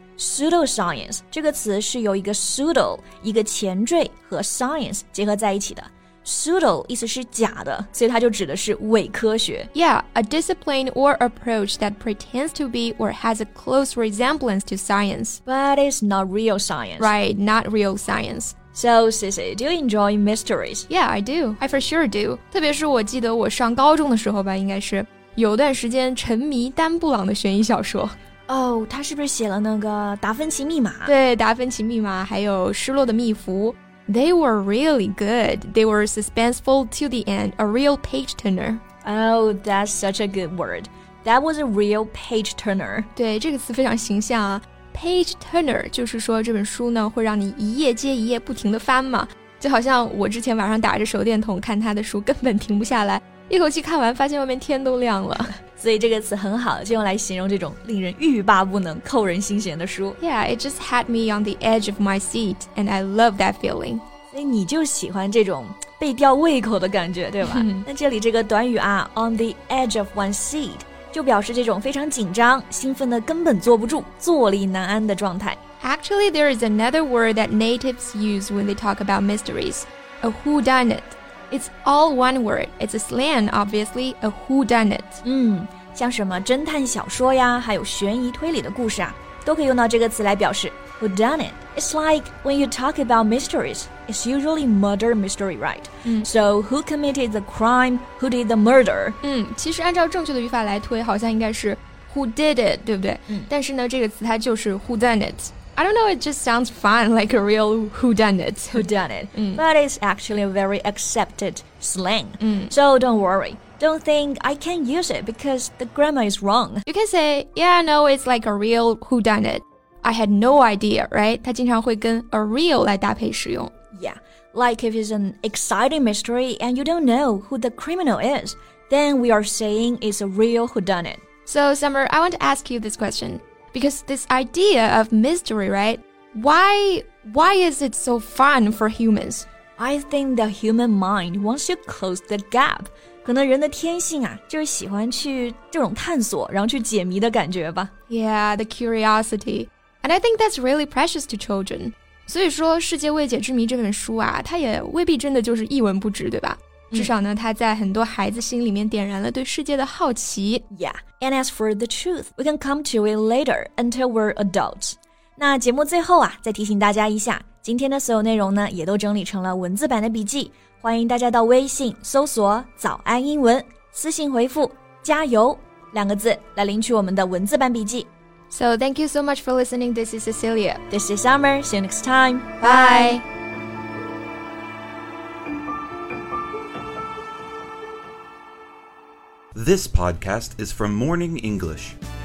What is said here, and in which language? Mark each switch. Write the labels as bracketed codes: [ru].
[zh] pseudoscience 这个词是由一个 pseudo 一个前缀和 science 结合在一起的。 Pseudo 意思是假的，所以它就指的是伪科学。 [en] Yeah, a discipline or approach that pretends to be or has a close resemblance to science. But it's not real science. Right, not real science. So, Sissy, do you enjoy mysteries? Yeah, I do. I for sure do. [zh] 特别是我记得我上高中的时候吧，应该是有段时间沉迷丹布朗的悬疑小说。 Oh, 他是不是写了那个达芬奇密码？对，达芬奇密码，还有失落的蜜蝠。 [en] They were really good. They were suspenseful to the end, a real page-turner. Oh, that's such a good word. That was a real page-turner. [zh] 对，这个词非常形象啊。 Page-turner 就是说这本书呢会让你一页接一页不停地翻嘛。就好像我之前晚上打着手电筒看他的书根本停不下来，一口气看完发现外面天都亮了。所以这个词很好，就用来形容这种令人欲罢不能扣人心弦的书。 [en] Yeah, it just had me on the edge of my seat and I love that feeling. [zh] 所以你就喜欢这种被吊胃口的感觉，对吧？那这里这个短语啊 [en] on the edge of one's seat [zh] 就表示这种非常紧张兴奋的根本坐不住坐立难安的状态。 [en] Actually, there is another word that natives use when they talk about mysteries, a whodunit. It's all one word. It's a slang, obviously, a whodunit. [zh] 像什么侦探小说呀，还有悬疑推理的故事啊，都可以用到这个词来表示 whodunit. [en] It's like when you talk about mysteries, it's usually murder mystery, right? So who committed the crime? Who did the murder? [zh] 其实按照正确的语法来推，好像应该是 [en] who did it, [zh] 对不对？但是呢，这个词它就是 whodunit. [en] I don't know, it just sounds fun, like a real whodunit. Whodunit. But it's actually a very accepted slang. So don't worry. Don't think I can use it because the grammar is wrong. You can say, yeah, no, it's like a real whodunit. I had no idea, right? [zh] 它经常会跟 a real 来搭配使用。 [en] Yeah, like if it's an exciting mystery and you don't know who the criminal is, then we are saying it's a real whodunit. So, Summer, I want to ask you this question. Because this idea of mystery, right? Why is it so fun for humans? I think the human mind wants to close the gap. [zh] 可能人的天性啊，就是喜欢去这种探索，然后去解谜的感觉吧。 [en] Yeah, the curiosity. And I think that's really precious to children. [zh] 所以说《世界未解之谜》这本书啊，它也未必真的就是一文不值，对吧？至少呢，它在很多孩子心里面点燃了对世界的好奇。 [en] Yeah, and as for the truth, we can come to it later until we're adults. [zh] 那节目最后啊，再提醒大家一下，今天的所有内容呢，也都整理成了文字版的笔记，欢迎大家到微信搜索“早安英文”，私信回复“加油”两个字来领取我们的文字版笔记。 [en] So thank you so much for listening. This is Cecilia. This is Summer. See you next time. Bye. This podcast is from Morning English.